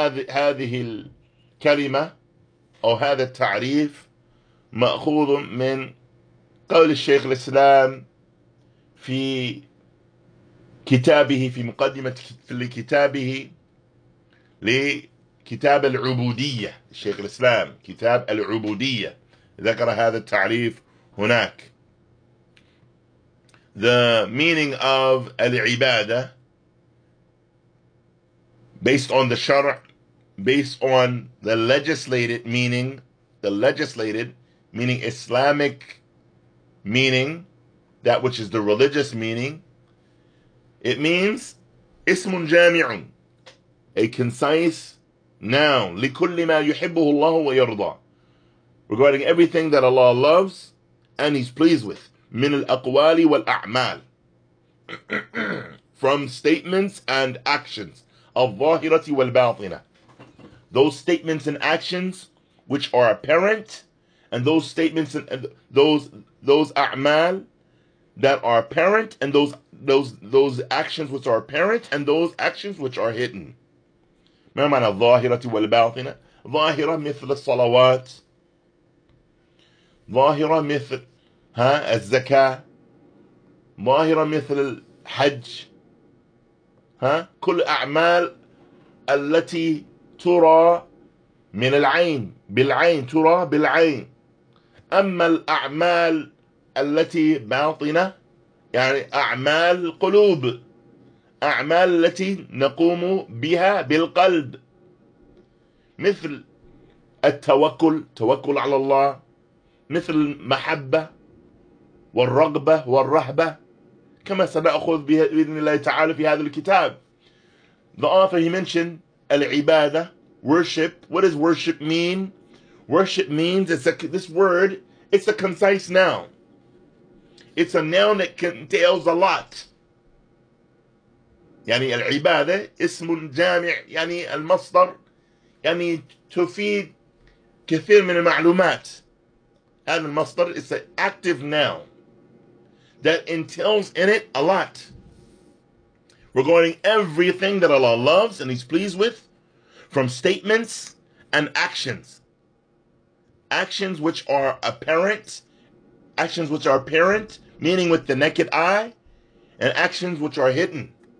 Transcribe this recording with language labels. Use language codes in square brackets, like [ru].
[ar] هذه الكلمة أو هذا التعريف مأخوذ من قول الشيخ الإسلام في كتابه, في مقدمة لكتابه لكتاب العبودية. الشيخ الإسلام كتاب العبودية ذكر هذا التعريف هناك. [en] The meaning of العبادة based on the شرع, based on the legislated meaning, the legislated meaning Islamic meaning, that which is the religious meaning, it means [ar] اسم جامع, [en] a concise noun, [ar] لكل ما يحبه الله ويرضى, [en] regarding everything that Allah loves and He's pleased with, [ar] من الأقوال والأعمال, [en] from statements and actions, [ar] الظاهرة والباطنة, [en] those statements and actions which are apparent, and those statements and those أعمال that are apparent, and those actions which are apparent, and those actions which are hidden. [ar] ما معنى الظاهرة والباطنة؟ ظاهرة مثل الصلوات, ظاهرة مثل الزكاة, ظاهرة مثل الحج, كل أعمال التي ترى من العين, بالعين, ترى بالعين. أما الأعمال التي باطنة يعني أعمال القلوب أعمال التي نقوم بها بالقلب مثل التوكل توكل على الله مثل المحبة والرغبة والرهبة كما سنأخذ بإذن الله تعالى في هذا الكتاب. [en] The author, he mentioned العبادة worship. What does worship mean? Worship means, this word, it's a concise noun. It's a noun that contains a lot. [ar] يعني العبادة اسم جامع يعني المصدر يعني تفيد كثير من المعلومات. هذا المصدر [en] is an active noun that entails in it a lot. Regarding everything that Allah loves and He's pleased with, from statements and actions. Actions which are apparent, actions which are apparent, meaning with the naked eye, and actions which are hidden.